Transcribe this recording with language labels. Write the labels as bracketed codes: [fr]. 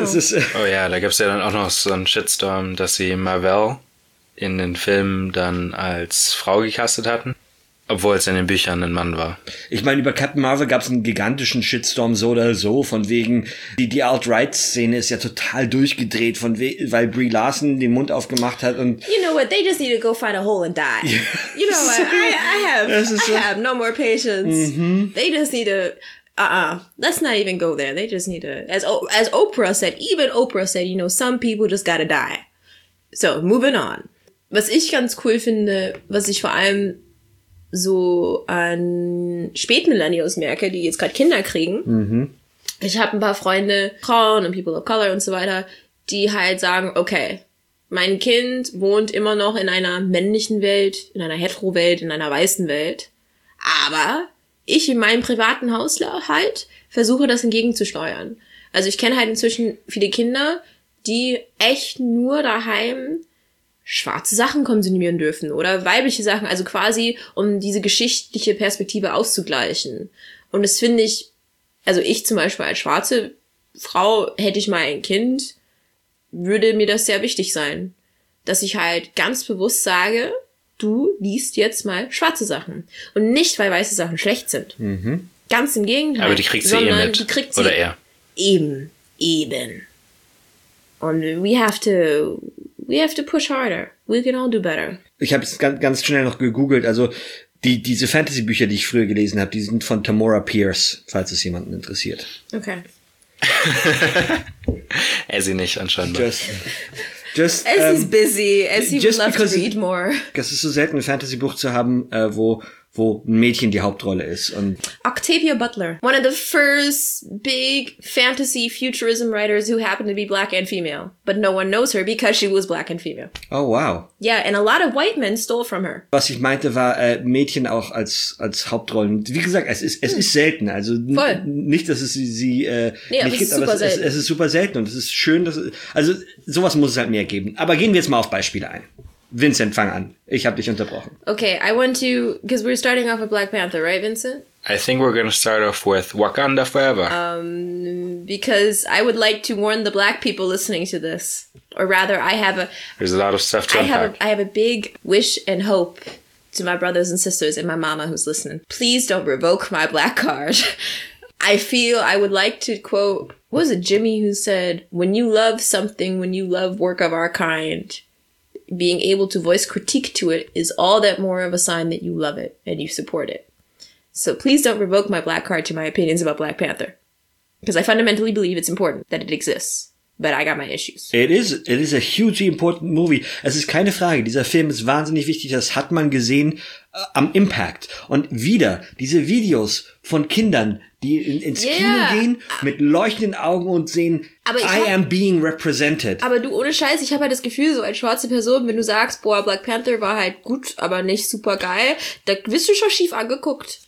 [de] Das ist, oh ja, da gibt's ja dann auch noch so einen Shitstorm, dass sie Marvel in den Filmen dann als Frau gecastet hatten. Obwohl es in den Büchern ein Mann war. Ich meine, über Captain Marvel gab es einen gigantischen Shitstorm so oder so, von wegen, die Alt-Right-Szene ist ja total durchgedreht, weil Brie Larson den Mund aufgemacht hat und... [en] You know what, they just need to go find a hole and die. Yeah. You know what, I have no more patience. Mm-hmm. They just need to... Let's not even go there. They just need to... As Oprah said, even Oprah said, you know, some people just gotta die. So, moving on. [de] Was ich ganz cool finde, was ich vor allem... so an Spätmillennials merke, die jetzt gerade Kinder kriegen. Mhm. Ich habe ein paar Freunde, Frauen und People of Color und so weiter, die halt sagen, okay, mein Kind wohnt immer noch in einer männlichen Welt, in einer Hetero-Welt, in einer weißen Welt, aber ich in meinem privaten Haushalt versuche, das entgegenzusteuern. Also ich kenne halt inzwischen viele Kinder, die echt nur daheim schwarze Sachen konsumieren dürfen oder weibliche Sachen, also quasi, um diese geschichtliche Perspektive auszugleichen. Und das finde ich, also ich zum Beispiel als schwarze Frau, hätte ich mal ein Kind, würde mir das sehr wichtig sein, dass ich halt ganz bewusst sage, du liest jetzt mal schwarze Sachen. Und nicht, weil weiße Sachen schlecht sind. Mhm. Ganz im Gegenteil. Aber die kriegt sie eher mit. Oder er. Eben. [en] Und we have to push harder. We can all do better. [de] Ich habe es ganz schnell noch gegoogelt. Also diese Fantasy-Bücher, die ich früher gelesen habe, die sind von Tamora Pierce, falls es jemanden interessiert. Okay. Er sie nicht anscheinend. [en] Essie's busy. Essie would love to read more. [de] Das ist so selten, ein Fantasy-Buch zu haben, wo ein Mädchen die Hauptrolle ist. Und [en] Octavia Butler. One of the first big fantasy futurism writers who happened to be black and female. But no one knows her because she was black and female. Oh, wow. Yeah, and a lot of white men stole from her. [de] Was ich meinte, war Mädchen auch als Hauptrollen. Wie gesagt, es ist selten. Also nicht, dass es sie nee, nicht aber gibt, es ist super selten. Und es ist schön, dass also sowas muss es halt mehr geben. Aber gehen wir jetzt mal auf Beispiele ein. Vincent, fang an. Ich habe dich unterbrochen. [en] Okay, I want to, because we're starting off with Black Panther, right, Vincent? I think we're going to start off with Wakanda Forever. Because I would like to warn the black people listening to this. Or rather, there's a lot of stuff to unpack. I have a big wish and hope to my brothers and sisters and my mama who's listening. Please don't revoke my black card. I feel I would like to quote, what was it, Jimmy, who said, when you love something, when you love work of our kind, being able to voice critique to it is all that more of a sign that you love it and you support it. So please don't revoke my black card to my opinions about Black Panther. Because I fundamentally believe it's important that it exists. But I got my issues. It is a hugely important movie. [de] Es ist keine Frage. Dieser Film ist wahnsinnig wichtig. Das hat man gesehen am Impact. Und wieder diese Videos von Kindern, die ins Kino gehen mit leuchtenden Augen und sehen, [en] I am being represented. [de] Aber du, ohne Scheiß, ich habe halt das Gefühl, so als schwarze Person, wenn du sagst, boah, Black Panther war halt gut, aber nicht super geil, da wirst du schon schief angeguckt.